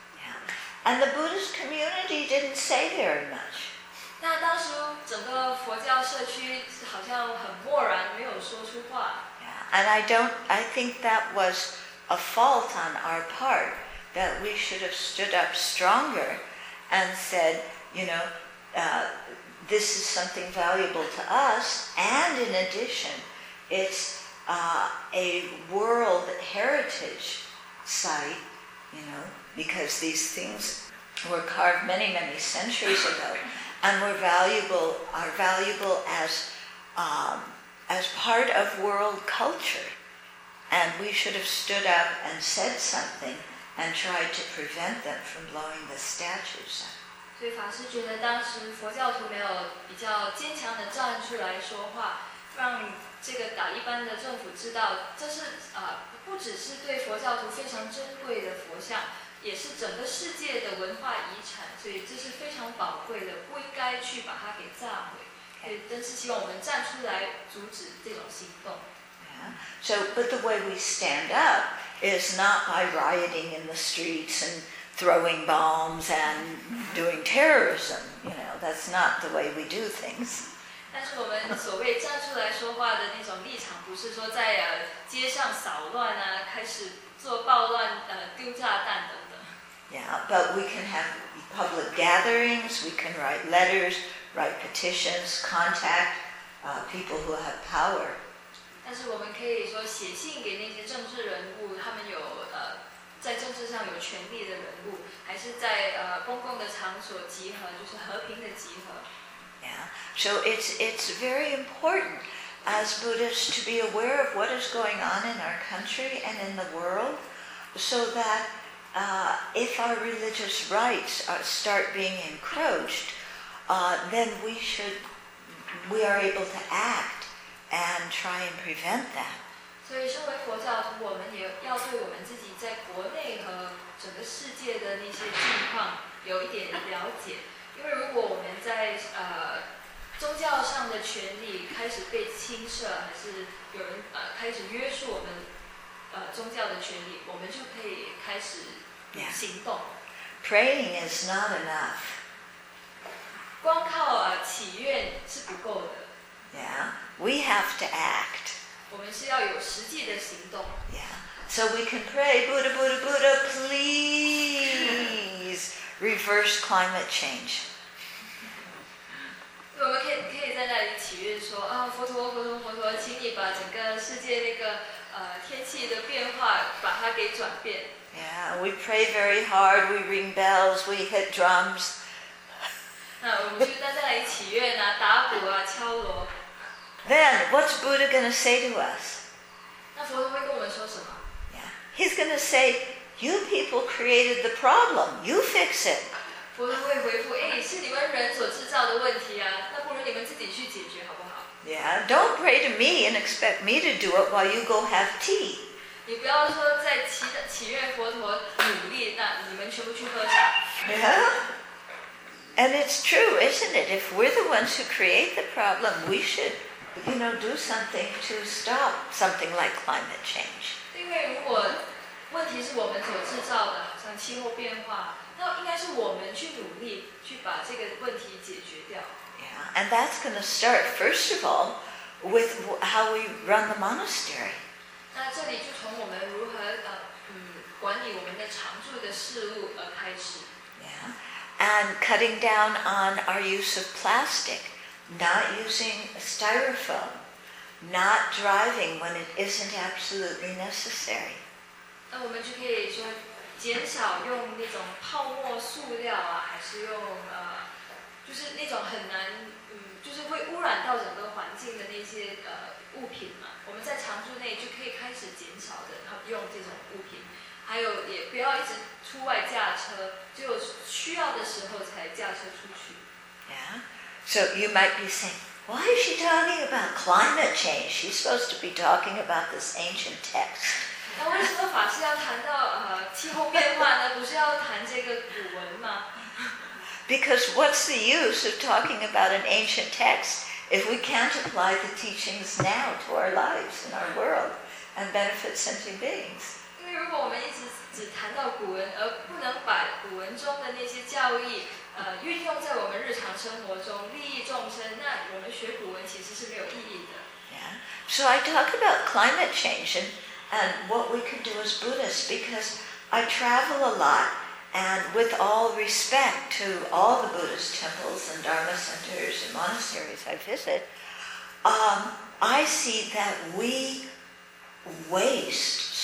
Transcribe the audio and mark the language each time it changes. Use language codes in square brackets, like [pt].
[en] Yeah. And the Buddhist community didn't say very much. [zh] 那当时整个佛教社区好像很漠然，没有说出话。 [en] Yeah. And I think that was a fault on our part that we should have stood up stronger and said, you know, this is something valuable to us, and in addition, it's a world heritage site, you know, because these things were carved many, many centuries ago and are valuable as part of world culture. And we should have stood up and said something and tried to prevent them from blowing the statues up. [zh] 所以法师觉得当时佛教徒没有比较坚强地站出来说话让这个塔利班的政府知道这是不只是对佛教徒非常珍贵的佛像也是整个世界的文化遗产所以这是非常宝贵的不应该去把它给炸毁真是希望我们站出来阻止这种行动 [en] So, but the way we stand up is not by rioting in the streets and throwing bombs and doing terrorism you know, that's not the way we do things [zh] 但是我们所谓站出来说话的那种立场不是说在街上扫乱啊开始做暴乱丢炸弹等等 [en] Yeah, but we can have public gatherings, we can write letters, write petitions, contact people who have power. [zh] 但是我们可以说写信给那些政治人物，他们有在政治上有权力的人物，还是在公共的场所集合，就是和平的集合。 [en] Yeah. So it's very important as Buddhists to be aware of what is going on in our country and in the world, so that if our religious rights start being encroached, then we are able to act and try and prevent that. [zh] 所以身为佛教徒，我们也要对我们自己在国内和整个世界的那些境况有一点了解。因为如果我们在宗教上的权利开始被侵涉，还是有人开始约束我们宗教的权利，我们就可以开始行动。 [en] Yeah. Praying is not enough. [zh] 光靠祈愿是不够的。 [en] Yeah, we have to act. [zh] 我们是要有实际的行动。 [en] Yeah, so we can pray, Buddha, Buddha, Buddha, please reverse climate change. [zh] 我们可以在那里祈愿说啊，佛陀，佛陀，佛陀，请你把整个世界那个天气的变化把它给转变。 [en] Yeah, we pray very hard. We ring bells. We hit drums. [zh] 那我们就在那里祈愿啊，打鼓啊，敲锣。 [en] Then what's Buddha going to say to us? [zh] 那佛陀会跟我们说什么？ [en] Yeah, he's going to say, "You people created the problem. You fix it." [zh] 佛陀会回复，哎，是你们人所制造的问题啊，那不如你们自己去解决好不好？ [en] Yeah, don't pray to me and expect me to do it while you go have tea. [zh] 你不要说在祈愿佛陀努力，那你们全部去喝茶。 [en] Yeah. And it's true, isn't it? If we're the ones who create the problem, we should, you know, do something to stop something like climate change. [zh] 因为如果问题是我们所制造的，像气候变化，那应该是我们去努力去把这个问题解决掉。 [en] Yeah, and that's going to start, first of all, with how we run the monastery. [zh] 那这里就从我们如何管理我们的常住的事物而开始。 [en] Yeah. And cutting down on our use of plastic, not using styrofoam, not driving when it isn't absolutely necessary. [zh] 那我们就可以说减少用那种泡沫塑料啊，还是用就是那种很难就是会污染到整个环境的那些物品嘛。我们在常住内就可以开始减少的用这种物品。还有也不要一直出外驾车，只有需要的时候才驾车出去。 [en] Yeah, so you might be saying, why is she talking about climate change? She's supposed to be talking about this ancient text. [zh] 那为什么法师要谈到气候变化呢？不是要谈这个古文吗？ [en] Because what's the use of talking about an ancient text if we can't apply the teachings now to our lives and our world and benefit sentient beings? [zh] 因为如果我们一直只谈到古文，而不能把古文中的那些教义，运用在我们日常生活中，利益众生，那我们学古文其实是没有意义的。 [en] Yeah. So I talk about climate change and what we can do as Buddhists because I travel a lot, and with all respect to all the Buddhist temples and Dharma centers and monasteries I visit, I see that we waste.